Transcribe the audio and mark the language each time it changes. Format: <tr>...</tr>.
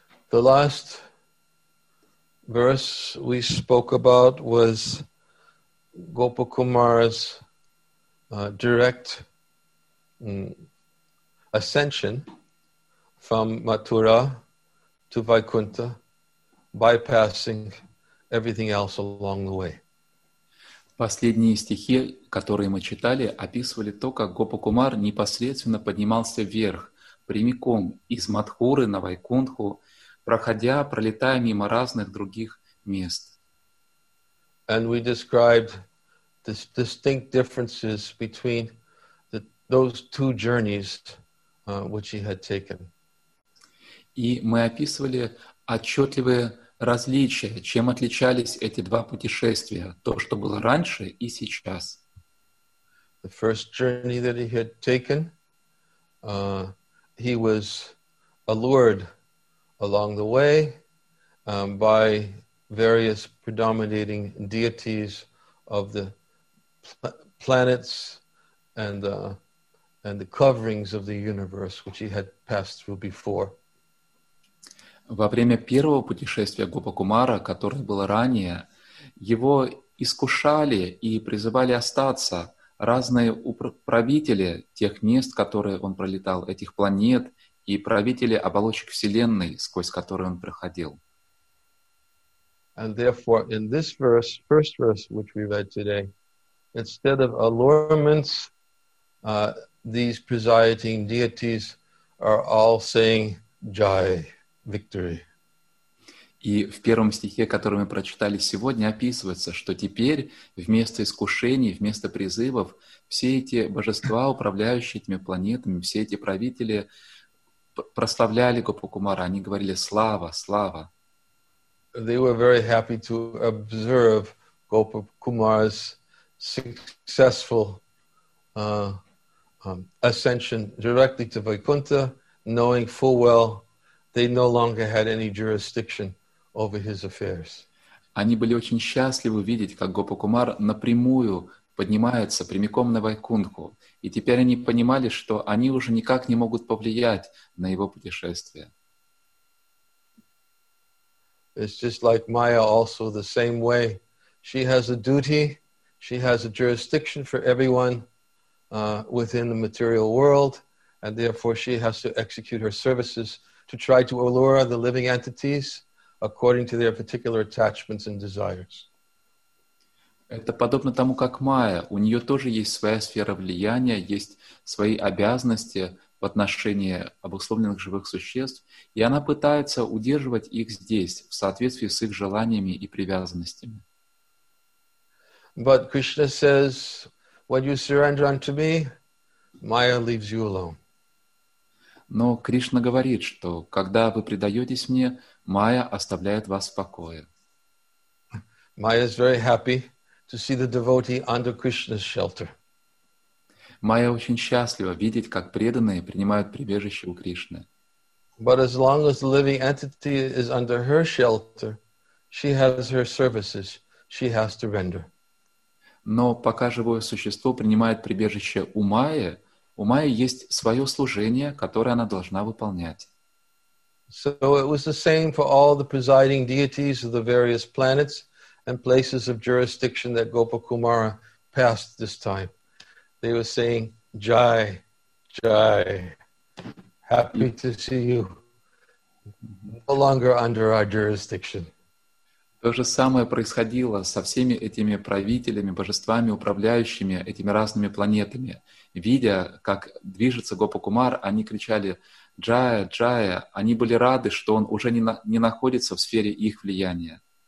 <en>The last verse we spoke about was Gopakumara's direct ascension from Mathura to Vaikuntha, bypassing everything else along the way.</en> <ru>Последние стихи, которые мы читали, описывали то, как Гопакумар непосредственно поднимался вверх, прямиком из Матхуры на Вайкунтху, проходя, пролетая мимо разных других мест.</ru> <en>And we described the distinct differences between those two journeys which he had taken.</en> <ru>И мы описывали отчетливые различия, чем отличались эти два путешествия, то, что было раньше и сейчас.</ru> <en>The first journey that he had taken, he was allured along the way by various predominating deities of the planets and the coverings of the universe, which he had passed through before.</en> <ru>Во время первого путешествия Гопакумара, которое было ранее, его искушали и призывали остаться разные правители тех мест, которые он пролетал, этих планет, и правители оболочек Вселенной, сквозь которые он проходил.</ru> <en>And therefore, in this verse, first verse, which we read today, instead of allurements, these presiding deities are all saying Jai, victory.</en> <ru>И в первом стихе, который мы прочитали сегодня, описывается, что теперь вместо искушений, вместо призывов, все эти божества, управляющие этими планетами, все эти правители прославляли Гопакумара, они говорили «Слава, слава».</ru> <en>They were very happy to observe Gopakumara's successful ascension directly to Vaikuntha, knowing full well they no longer had any jurisdiction over his affairs.</en> <ru>Они были очень счастливы видеть, как Гопакумар напрямую поднимается прямиком на Вайкунтху, и теперь они понимали, что они уже никак не могут повлиять на его путешествие.</ru> <en>It's just like Maya also the same way. She has a duty, she has a jurisdiction for everyone within the material world, and therefore she has to execute her services to try to allure the living entities according to their particular attachments and desires.</en> <ru>Это подобно тому, как Майя. У нее тоже есть своя сфера влияния, есть свои обязанности в отношении обусловленных живых существ, и она пытается удерживать их здесь, в соответствии с их желаниями и привязанностями.</ru> <en>But Krishna says, when you surrender unto me, Maya leaves you alone.</en> <ru>Но Кришна говорит, что когда вы предаетесь мне, Майя оставляет вас в покое.</ru> <en>Maya is very happy to see the devotee under Krishna's shelter.</en> <ru>Майя очень счастлива видеть, как преданные принимают прибежище у Кришны.</ru> <en>But as long as the living entity is under her shelter, she has her services she has to render.</en> <ru>Но пока живое существо принимает прибежище у Майи есть свое служение, которое она должна выполнять.</ru> <en>So it was the same for all the presiding deities of the various planets and places of jurisdiction that Gopakumara passed this time. They were saying, Jai, Jai, happy to see you. No longer under our jurisdiction.</en> <ru>То же самое происходило со всеми этими правителями, божествами, управляющими этими разными планетами. Видя, как движется Гопакумар, они кричали «Джая, Джая!». Они были рады, что он уже не находится в сфере их влияния.</ru>